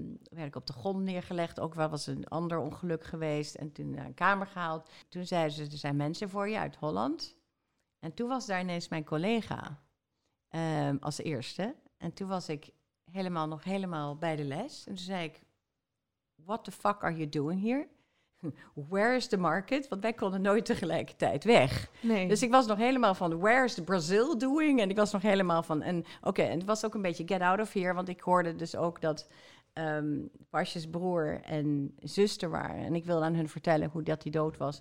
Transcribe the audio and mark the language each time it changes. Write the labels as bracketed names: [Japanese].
[Dutch] Werd ik op de grond neergelegd. Ook wel was een ander ongeluk geweest. En toen naar een kamer gehaald. Toen zeiden ze, er zijn mensen voor je uit Holland. En toen was daar ineens mijn collega. Als eerste. En toen was ik helemaal nog helemaal bij de les. En toen zei ik, [English] what the fuck are you doing here? Where is the market? [Dutch] Want wij konden nooit tegelijkertijd weg. Nee. Dus ik was nog helemaal van, [English] where is the Brazil doing? [Dutch] En ik was nog helemaal van, oké, en het was ook een beetje [English] get out of here. [Dutch] Want ik hoorde dus ook dat Pasje's broer en zuster waren. En ik wilde aan hun vertellen hoe dat die dood was.